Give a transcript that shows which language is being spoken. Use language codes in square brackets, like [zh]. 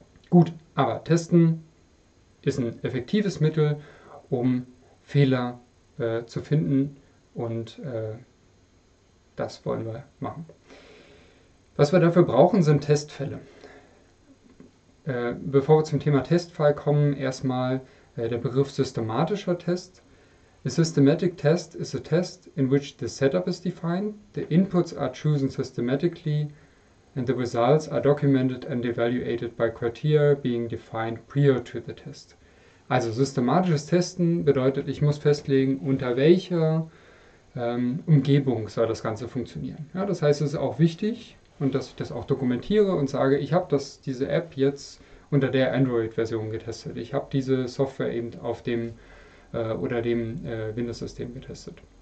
[de] Gut, aber testen ist ein effektives Mittel, um Fehler zu finden. Und das wollen wir machen. Was wir dafür brauchen, sind Testfälle. Bevor wir zum Thema Testfall kommen, erstmal der Begriff systematischer Test. [en] A systematic test is a test in which the setup is defined, the inputs are chosen systematically and the results are documented and evaluated by criteria being defined prior to the test. [de] Also systematisches Testen bedeutet, ich muss festlegen, unter welcher Umgebung soll das Ganze funktionieren. Ja, das heißt, es ist auch wichtig, und dass ich das auch dokumentiere und sage, ich habe diese App jetzt unter der Android-Version getestet. Ich habe diese Software eben auf dem oder dem Windows-System getestet.